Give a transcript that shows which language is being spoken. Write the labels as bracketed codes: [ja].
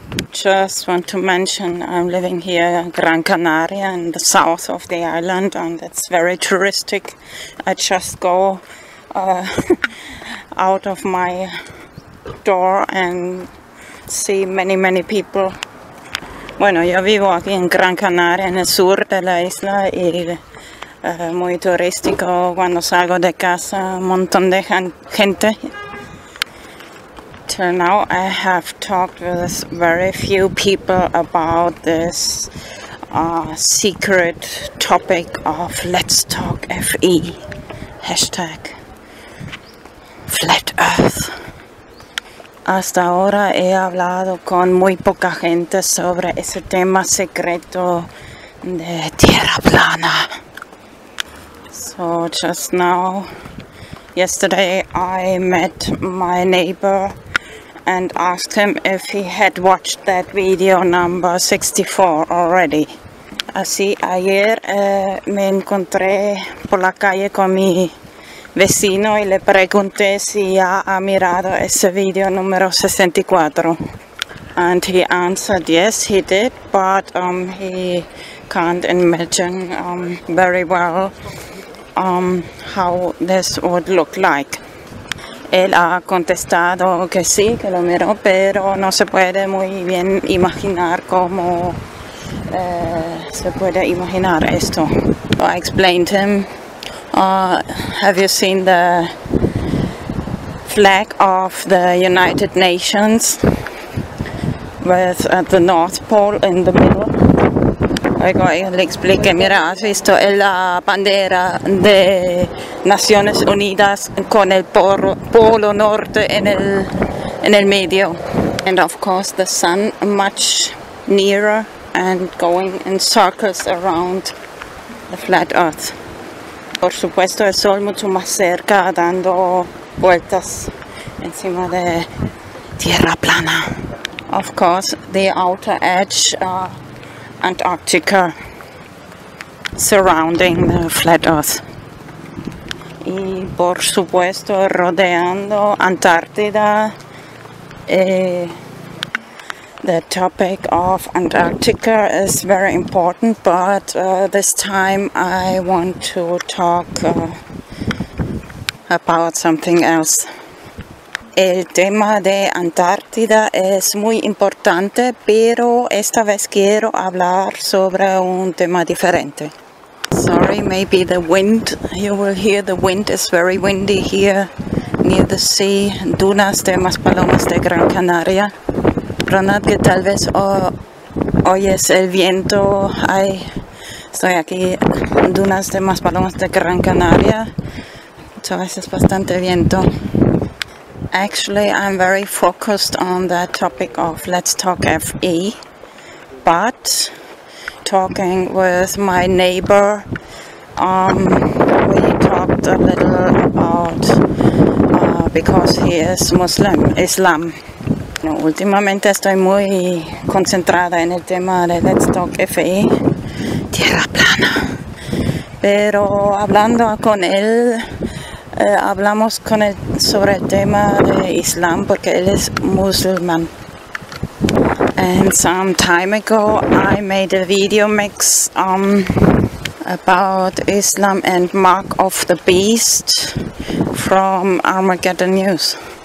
[en] Just want to mention I'm living here in Gran Canaria in the south of the island, and it's very touristic. I just go out of my door and see many people. [es] Bueno, yo vivo aquí en Gran Canaria, en el sur de la isla, y muy turístico. Cuando salgo de casa, un montón de gente. [en] Till now I have talked with very few people about this secret topic of Let's Talk FE, hashtag Flat Earth. [es] Hasta ahora he hablado con muy poca gente sobre ese tema secreto de Tierra Plana. [en] So just now, yesterday I met my neighbor and asked him if he had watched that video number 64 already. [es] Así, ayer me encontré por la calle con mi vecino y le pregunté si ya ha mirado ese video número 64. [en] And he answered yes, he did, but he can't imagine very well how this would look like. [es] Él ha contestado que sí, que lo miró, pero no se puede muy bien imaginar cómo se puede imaginar esto. [en] So I explained him, have you seen the flag of the United Nations with the North Pole in the middle? [es] Luego le expliqué, mira, has visto la bandera de Naciones Unidas con el polo norte en el medio. [en] And of course the sun much nearer and going in circles around the flat earth. [es] Por supuesto el sol mucho más cerca dando vueltas encima de tierra plana. [en] Of course the outer edge Antarctica surrounding the flat earth. [es] Y por supuesto rodeando Antártida, [en] the topic of Antarctica is very important, but this time I want to talk about something else. [es] El tema de Antártida es muy importante, pero esta vez quiero hablar sobre un tema diferente. [en] Sorry, maybe the wind. You will hear the wind is very windy here near the sea, dunas de Maspalomas de Gran Canaria. [es] Ronald, que tal vez oyes el viento. Ay, estoy aquí, dunas de Maspalomas de Gran Canaria. Muchas veces bastante viento. [en] Actually, I'm very focused on the topic of Let's Talk FE, but talking with my neighbor, we talked a little about, because he is Muslim, Islam. [es] No, últimamente estoy muy concentrada en el tema de Let's Talk FE, Tierra Plana, pero hablando con él, hablamos con él sobre el tema de Islam porque él es musulmán. [en] And some time ago I made a video mix about Islam and Mark of the Beast from Armageddon News.